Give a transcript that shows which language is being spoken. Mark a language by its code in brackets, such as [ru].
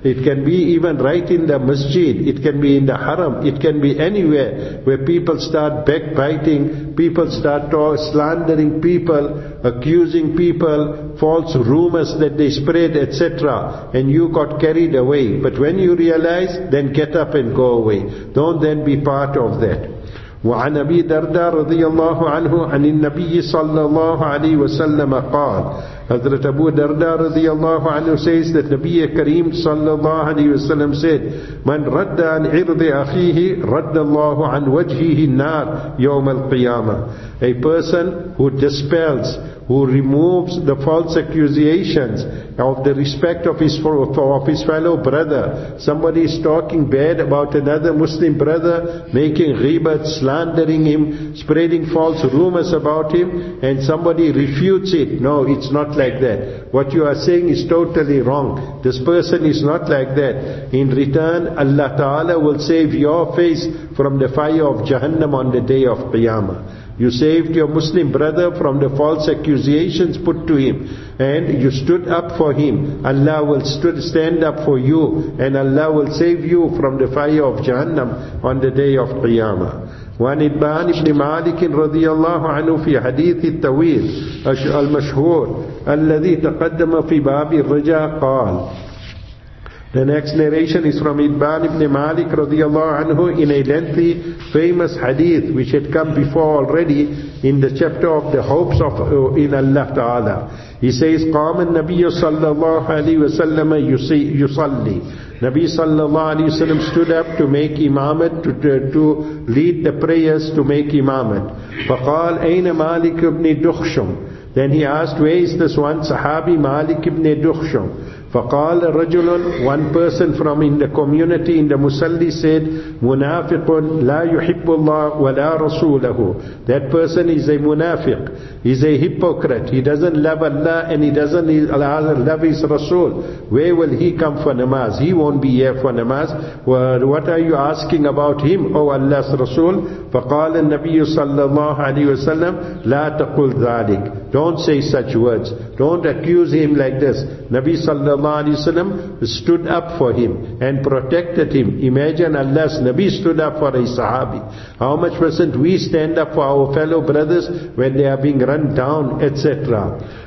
[en] It can be even right in the masjid, it can be in the haram, it can be anywhere where people start backbiting, people start slandering people, accusing people, false rumors that they spread, etc. And you got carried away. But when you realize, then get up and go away. Don't then be part of that. [ar] وعن أبي دردا رضي الله عنه عن النبي صلى الله عليه وسلم قال. [en] Hazrat Abu Darda [ar] رضي الله عنه [en] says that Nabiya Kareem [ar] صلى الله عليه وسلم [en] said, [ar] من رد عن عرض أخيه رد الله عن وجهه النار يوم القيامة. [en] A person who dispels, who removes the false accusations of the respect of his fellow brother. Somebody is talking bad about another Muslim brother, making ghibat, slandering him, spreading false rumors about him, and somebody refutes it. No, it's not like that. What you are saying is totally wrong. This person is not like that. In return, Allah Ta'ala will save your face from the fire of Jahannam on the day of Qiyamah. You saved your Muslim brother from the false accusations put to him, and you stood up for him. Allah will stand up for you, and Allah will save you from the fire of Jahannam on the day of Qiyamah. [ar] وعن إبان بن مالك رضي الله عنه في حديث الطويل المشهور الذي تقدم في باب الرجاء قال. [en] The next narration is from Ibn Malik radiallahu anhu in a lengthy famous hadith which had come before already in the chapter of the hopes of in Allah Ta'ala. He says, [ar] قام النبي صلى الله عليه وسلم يصلي. [en] Nabi sallallahu alayhi wa sallam stood up to make imamat, to lead the prayers, to make imamat. [ar] فقال أين مالك بن دخشم. [en] Then he asked, where is this one sahabi Malik ibn Dukhshum? [ar] فقال رجل, [en] one person from in the community in the Musalli said, [ar] منافق لا يحب الله ولا رسوله. [en] That person is a munafiq, is a hypocrite. He doesn't love Allah and he doesn't love his Rasul. Where will he come for namaz? He won't be here for namaz. What are you asking about him, O Allah's Rasul? [ar] فقال النبي صلى الله عليه وسلم لا تقول ذلك. [en] Don't say such words. Don't accuse him like this. Nabi sallallahu alayhi wa sallam stood up for him and protected him. Imagine Allah's Nabi stood up for a sahabi. How much percent we stand up for our fellow brothers when they are being run down, etc.